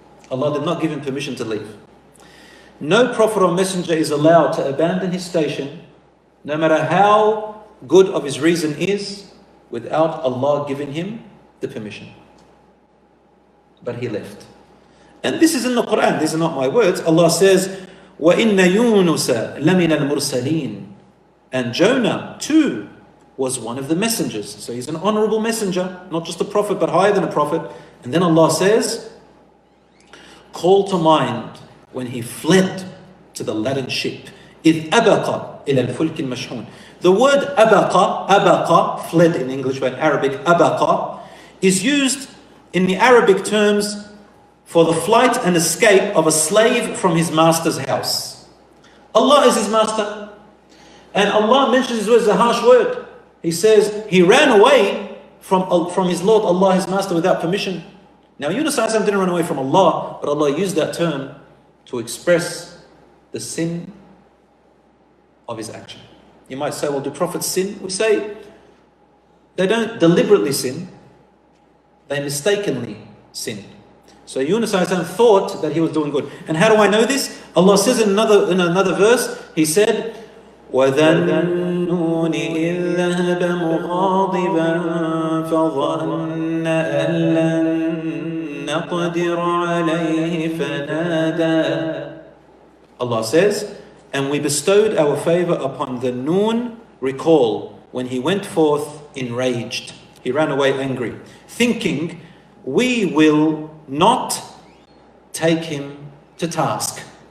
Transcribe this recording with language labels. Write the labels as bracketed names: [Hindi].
[English] Allah did not give him permission to leave. No prophet or messenger is allowed to abandon his station, no matter how good of his reason is, without Allah giving him the permission. But he left. And this is in the Quran, these are not my words. Allah says, [Arabic] وَإِنَّ يُونُسَ لَمِنَ الْمُرْسَلِينَ. [English] And Jonah too was one of the messengers. So he's an honorable messenger, not just a prophet, but higher than a prophet. And then Allah says, call to mind when he fled to the laden ship. [Arabic] إِذْ أَبَقَ إِلَى الْفُلْكِ الْمَشْحُونَ. [English] The word abaqa, abaqa, fled in English, but in Arabic, abaqa, is used in the Arabic terms for the flight and escape of a slave from his master's house. Allah is his master. And Allah mentions his words as a harsh word. He says, he ran away from his Lord, Allah, his master, without permission. Now, Yunus alayhi salam didn't run away from Allah, but Allah used that term to express the sin of his action. You might say, well, do prophets sin? We say, they don't deliberately sin. They mistakenly sin. So Yunus alayhi salam thought that he was doing good. And how do I know this? Allah says in another verse, he said, [Arabic] وَذَنُّونِ إِلَّهَبَ مُغَاضِبًا فَظَنَّ أَن لَن نَقْدِرَ عَلَيْهِ فَنَادَى. [English] Allah says, and we bestowed our favor upon the Noon, recall, when he went forth enraged. He ran away angry, thinking, we will not take him to task.